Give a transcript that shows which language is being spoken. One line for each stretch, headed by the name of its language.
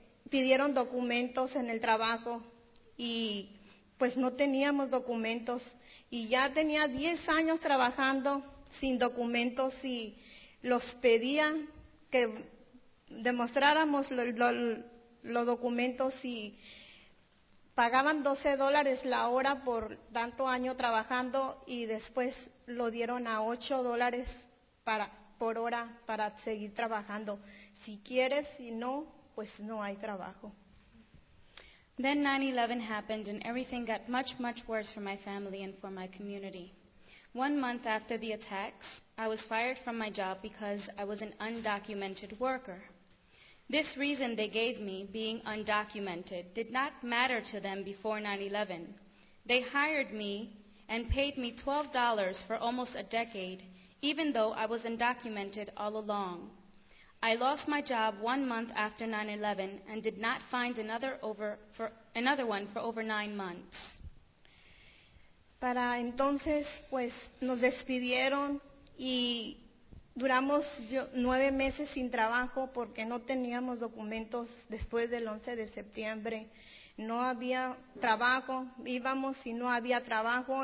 Spanish: pidieron documentos en el trabajo y pues no teníamos documentos y ya tenía 10 años trabajando sin documentos y los pedía que demostráramos los documentos y pagaban $12 la hora por tanto año trabajando y después lo dieron a $8 por hora para seguir trabajando. Si quieres, si no, pues no hay trabajo.
English: Then 9/11 happened and everything got much, much worse for my family and for my community. 1 month after the attacks, I was fired from my job because I was an undocumented worker. This reason they gave me, being undocumented, did not matter to them before 9/11. They hired me and paid me $12 for almost a decade, even though I was undocumented all along. I lost my job 1 month after 9/11 and did not find another one for over 9 months.
Spanish: Para entonces, pues, nos despidieron y duramos 9 meses sin trabajo porque no teníamos documentos después del 11 de septiembre. No había trabajo, íbamos y no había trabajo.